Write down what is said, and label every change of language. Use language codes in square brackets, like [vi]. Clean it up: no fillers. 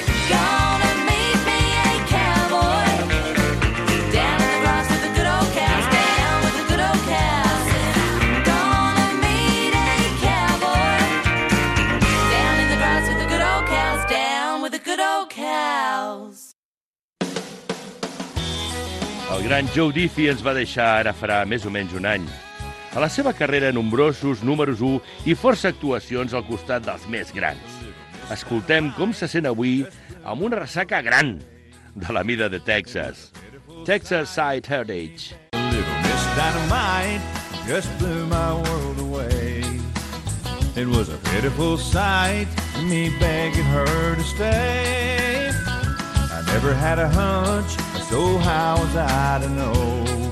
[en] Gonna meet me a cowboy down in the grass with the good old cows, down with the good old cows. And I'm gonna meet a cowboy down in the grass with the good old cows, down with the good old cows. [ca] El gran Joe Diffie ens va deixar ara farà més o menys un any. A la seva carrera, nombrosos números 1 i força actuacions al costat dels més grans. Escoltem com se sent avui amb una ressaca gran de la mida de Texas. [en] Texas Side Heritage. A little miss dynamite just blew my world away. It was a pitiful sight, me begging her to stay. I never had a hunch, so how was I to know?